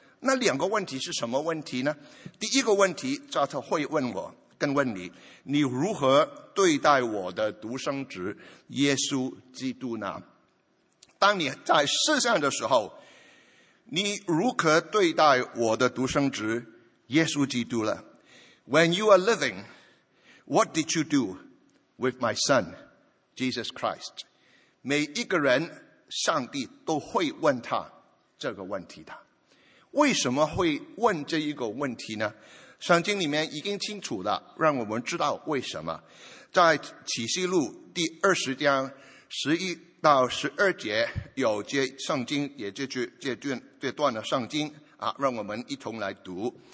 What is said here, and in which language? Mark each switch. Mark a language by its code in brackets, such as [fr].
[zh] 那两个问题是什么问题呢？第一个问题叫他会问我，更问你，你如何对待我的独生子耶稣基督呢？当你在世上的时候，你如何对待我的独生子耶稣基督呢？ [en] When you are living, what did you do with my son, Jesus Christ? [zh] 每一个人，上帝都会问他这个问题的。为什么会问这一个问题呢？圣经里面已经清楚了，让我们知道为什么。在启示录第20章11到12节有这圣经，也这段的圣经，让我们一同来读。